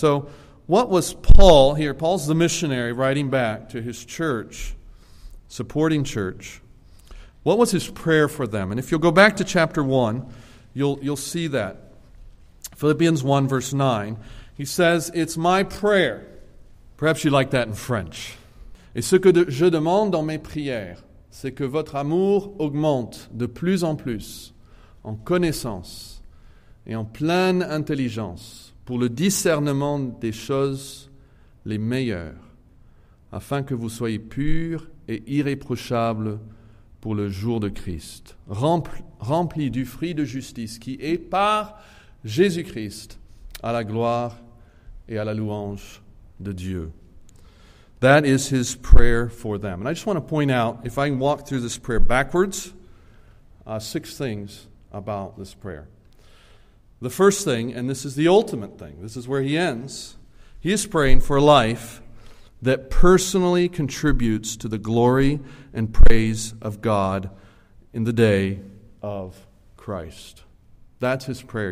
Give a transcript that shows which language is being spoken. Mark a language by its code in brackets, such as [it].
[en] So what was Paul here? Paul's the missionary writing back to his church, supporting church. What was his prayer for them? And if you'll go back to chapter 1, you'll see that. Philippians 1, verse 9, he says, "It's my prayer." Perhaps you like that in French. [fr] "Et ce que je demande dans mes prières, c'est que votre amour augmente de plus en plus en connaissance et en pleine intelligence pour le discernement des choses les meilleures, afin que vous soyez purs et irréprochables pour le jour de Christ, rempli du fruit de justice qui est par Jésus-Christ à la gloire et à la louange de Dieu." [en] That is his prayer for them. And I just want to point out, if I can walk through this prayer backwards, six things about this prayer. The first thing, and this is the ultimate thing, this is where he ends, he is praying for life that personally contributes to the glory and praise of God in the day of Christ. That's his prayer.